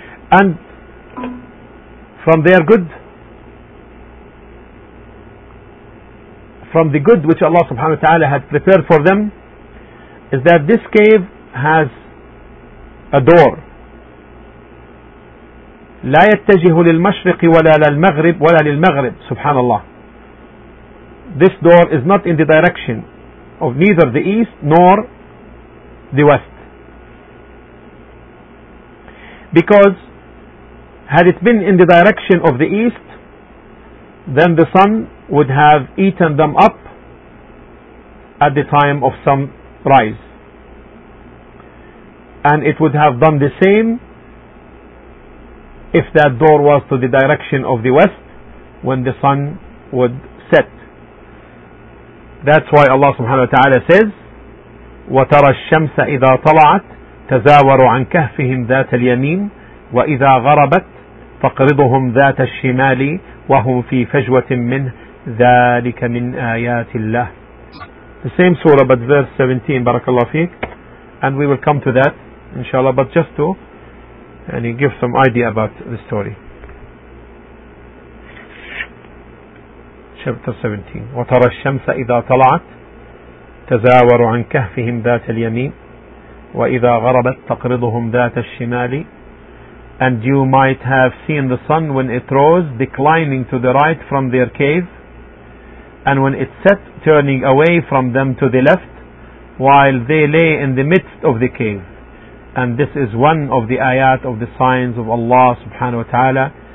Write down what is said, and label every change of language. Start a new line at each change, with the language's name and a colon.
English: And from the good which Allah subhanahu wa ta'ala had prepared for them, is that this cave has a door.
Arabic: لا يتجه للمشرق ولا للمغرب ولا للمغرب. Subhanallah.
English: This door is not in the direction of neither the east nor the west. Because had it been in the direction of the east, then the sun would have eaten them up at the time of sunrise. And it would have done the same if that door was to the direction of the west, when the sun would set. That's why Allah subhanahu wa ta'ala says,
Arabic: وَتَرَى الشَّمْسَ إِذَا طَلَعَتْ تَزَاوَرُ عَنْ كَهْفِهِمْ ذَاتَ الْيَمِينِ وَإِذَا غَرَبَتْ فَقْرِضُهُمْ ذَاتَ الشِّمَالِ وَهُمْ فِي فَجْوَةٍ مِّنْهِ ذَلِكَ مِنْ آيَاتِ اللَّهِ.
English: The same surah, but verse 17, barakallah fiqh. And we will come to that, inshallah, but just to and he gives some idea about the story. Chapter 17.
Arabic: وترى الشمس إذا طلعت تزاور عن كهفهم ذات اليمين وإذا غربت تقرضهم ذات الشمال.
English: And you might have seen the sun when it rose declining to the right from their cave, and when it set turning away from them to the left, while they lay in the midst of the cave. And this is one of the ayat of the signs of Allah subhanahu wa ta'ala.